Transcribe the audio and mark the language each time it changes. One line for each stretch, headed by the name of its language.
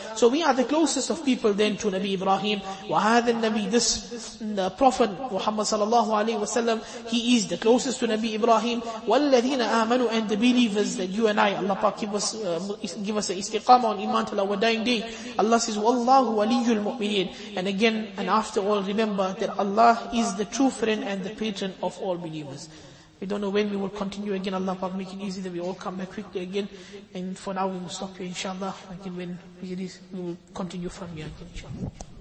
English: So we are the closest of people then to Nabi Ibrahim.
Arabic: وَهَذَا النَّبِي.
English: This Prophet Muhammad sallallahu alayhi wasallam, he is the closest to Nabi Ibrahim.
Arabic: وَالَّذِينَ آمَنُوا.
English: And the believers that you and I, Allah Pak give us an istiqama on iman till our dying day. Allah says,
Arabic: وَاللَّهُ وَلِيُّ الْمُؤْمِنِينَ.
English: And again, and after all, remember that Allah is the true friend and the patron of all believers. We don't know when we will continue again. Allah Pak, make it easy that we all come back quickly again. And for now, we will stop here, inshallah. Again, when it is, we will continue from here again, inshallah.